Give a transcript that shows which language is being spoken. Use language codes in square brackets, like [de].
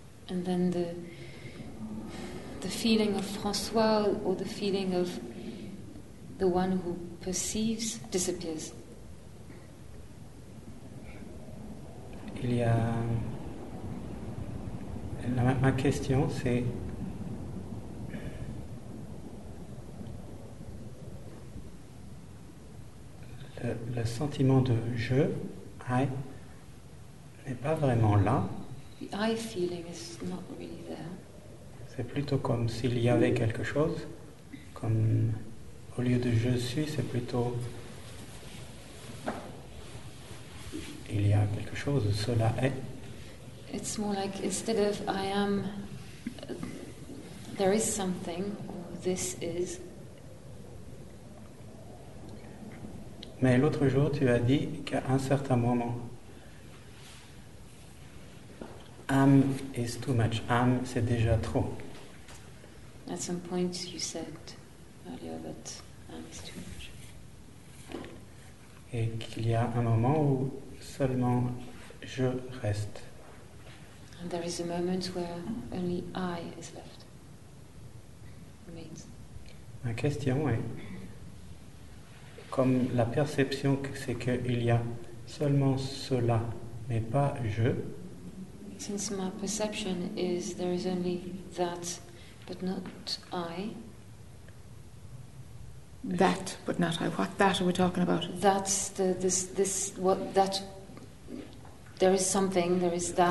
[en] And then the feeling of François or the feeling of the one who perceives disappears. [fr] Il y a ma question, c'est le sentiment de je, I, n'est pas vraiment là. [en] The I feeling is not really there. [fr] C'est plutôt comme s'il y avait quelque chose, comme au lieu de je suis, c'est plutôt il y a quelque chose, cela est. [en] It's more like instead of I am, there is something, or this is. [fr] Mais l'autre jour, tu as dit qu'à un certain moment, [en] am is too much. [fr] Am, c'est déjà trop. [en] At some point, you said earlier that am is too much. [fr] Et qu'il y a un moment où seulement je reste. [en] And there is a moment where only I is left. Remains. [fr] Ma question est, comme la perception que c'est qu'il y a seulement cela, mais pas je. [en] Since my perception is there is only that, but not I. That, but not I. What that are we talking about? That's the this what that. There is something, there is that.